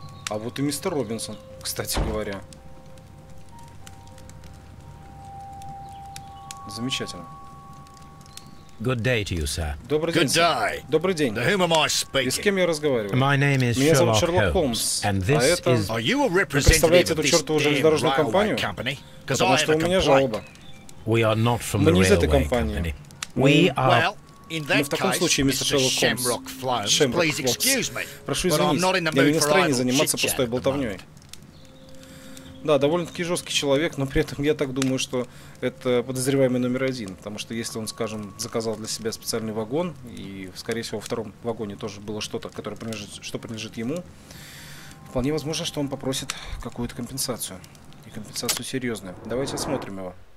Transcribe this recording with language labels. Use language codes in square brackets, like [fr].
[ru] А вот и мистер Робинсон, кстати говоря. Замечательно. [en] Good day to you, sir. [ru] Добрый день. Добрый день. [en] Whom am I speaking? [ru] И с кем я разговариваю? [en] My name is [ru] Меня зовут Шерлок Холмс. [en] And this [ru] а это... [en] is... Are you a representative of this damn railway company? Because I have a complaint. [ru] Потому что у меня жалоба. [en] We are not from the railway company. We are... [ru] Ну, в таком случае, мистер Шерлок Холмс, Шемрок Флоунс, прошу извинить, я не в настроении заниматься пустой болтовнёй. Да, довольно-таки жесткий человек, но при этом я так думаю, что это подозреваемый номер один, потому что если он, скажем, заказал для себя специальный вагон, и, скорее всего, во втором вагоне тоже было что-то, которое принадлежит, что принадлежит ему, вполне возможно, что он попросит какую-то компенсацию, и компенсацию серьезную. Давайте осмотрим его.